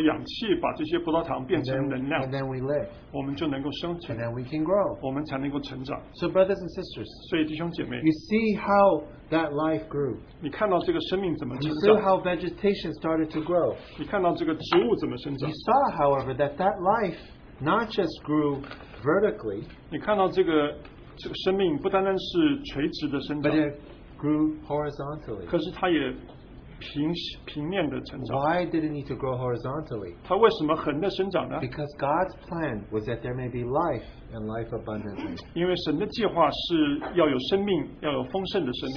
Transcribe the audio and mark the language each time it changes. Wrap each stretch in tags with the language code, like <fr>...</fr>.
<zh>所以我们有氧气把这些葡萄糖变成能量,</zh> <en>and then we live,</en> <zh>我们就能够生存,</zh> <en>and then we can grow,</en> <zh>我们才能够成长.</zh> <en>So brothers and sisters,</en> <zh>所以弟兄姐妹,</zh> <en>you see how that life grew.</en> <zh>你看到这个生命怎么成长?</zh> <en>You saw how vegetation started to grow.</en> <zh>你看到这个植物怎么生长?</zh> <en>You saw, however, that life not just grew vertically,</en> <zh>你看到这个生命不单单是垂直的生长,</zh> <en>but it grew horizontally.</en> <zh>可是它也平面的成长。</zh> <en>Why did it need to grow horizontally?</en> <zh>它为什么横的生长呢?</zh> <en>Because God's plan was that there may be life, and life abundantly.</en> <zh>因为神的计划是要有生命, 要有丰盛的生命。</zh>